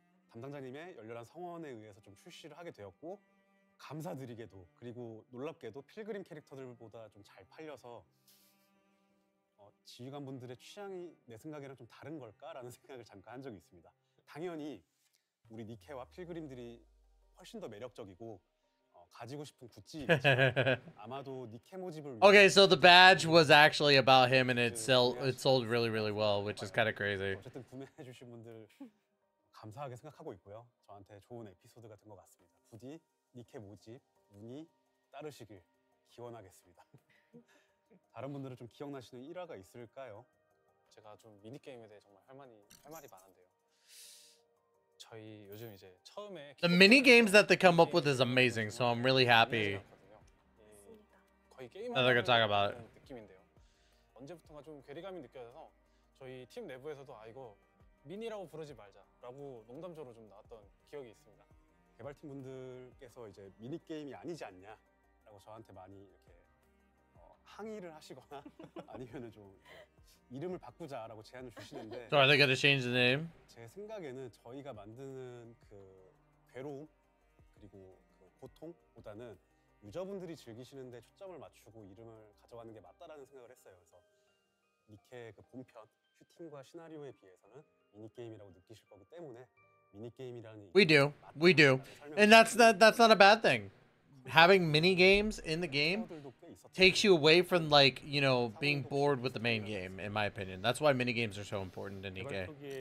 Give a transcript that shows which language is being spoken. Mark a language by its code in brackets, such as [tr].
[ko] 담당자님의 열렬한 성원에 의해서 좀 출시를 하게 되었고 감사드리게도 그리고 놀랍게도 필그림 캐릭터들보다 좀 잘 팔려서 지휘관 분들의 취향이 내 생각이랑 좀 다른 걸까라는 생각을 잠깐 한 적이 있습니다. 당연히 우리 니케와 필그림들이 훨씬 더 매력적이고 가지고 싶은 굿즈 아마도 니케 모집을 [en] Okay, so the badge was actually about him and it sold really really well, which is kind of crazy. [ko] 어쨌든 구매해 주신 분들 감사하게 생각하고 있고요. 저한테 좋은 에피소드가 된 것 같습니다. 부디 니케 모집 운이 따르시길 기원하겠습니다. 다른 분들은 좀 기억나시는 일화가 있을까요? 제가 좀 미니 게임에 대해 정말 할 말이 많은데요. 저희 요즘 이제 처음에 [en] The mini games that they come up with is amazing. So I'm really happy. [ko] 거의 게임 하는 느낌인데요. 언제부터가 좀 괴리감이 느껴져서 저희 팀 내부에서도 아 이거 미니라고 부르지 말자라고 농담조로 좀 나왔던 기억이 있습니다. 개발팀 분들께서 이제 미니 게임이 아니지 않냐라고 저한테 많이 이렇게 항의를 하시거나 아니면은 좀 이름을 바꾸자라고 제안을 주시는데 [en] So are they going to change the name? [ko] 제 생각에는 저희가 만드는 그 괴로움 그리고 그 고통보다는 유저분들이 즐기시는데 초점을 맞추고 이름을 가져가는 게 맞다라는 생각을 했어요. 그래서 니케 그 본편 슈팅과 시나리오에 비해서는 미니 게임이라고 느끼실 거기 때문에 미니 게임이라는 [en] We do. And that's not a bad thing. Having mini games in the game takes you away from, like, you know, being bored with the main game, in my opinion. That's why mini games are so important in Nikke.